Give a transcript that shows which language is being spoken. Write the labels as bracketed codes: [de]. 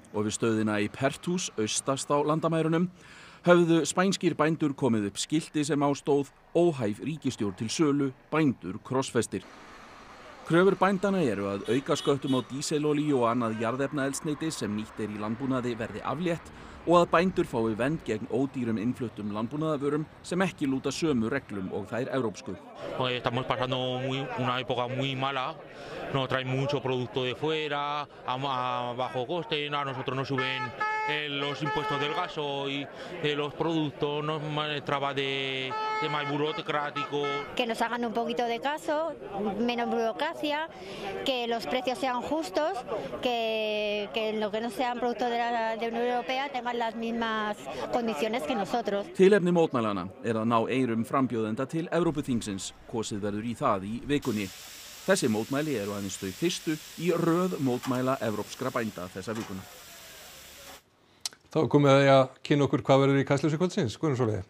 [is] Og við stöðina í Pertús, austast á landamærunum, höfðu spænskir bændur komið upp skilti sem ástóð óhæf ríkisstjórn til sölu, bændur, krossfestir. Kröfur bændana eru að auka sköttum á dísilolíu og annað jarðefnaeldsneyti sem nýtt í landbúnaði verði aflétt og að bændur fái vend gegn ódýrum innfluttum landbúnaðarvörum sem ekki lúta sömu reglum og þær evrópsku. [es] Estamos pasando una época muy mala. Nos traen mucho producto de fuera a bajo coste, a nosotros nos suben los impuestos del gasoil, los productos, nos traba de más burocrático. Que nos hagan un poquito de caso, menos burocracia, que los precios sean justos, que lo que no sean producto de la de Unión Europea tengan las mismas condiciones que nosotros. [is] Tilefni mótmælana að ná eyrum frambjóðenda til Evrópuþingsins. Kosið verður í það í vikunni. Þessi mótmæli eru aðeins þau fyrstu í röð mótmæla evrópskra bænda þessa vikuna. Þá komum við að kynna okkur hvað verður í Kastljósi kvöldsins, Guðrún Sóley.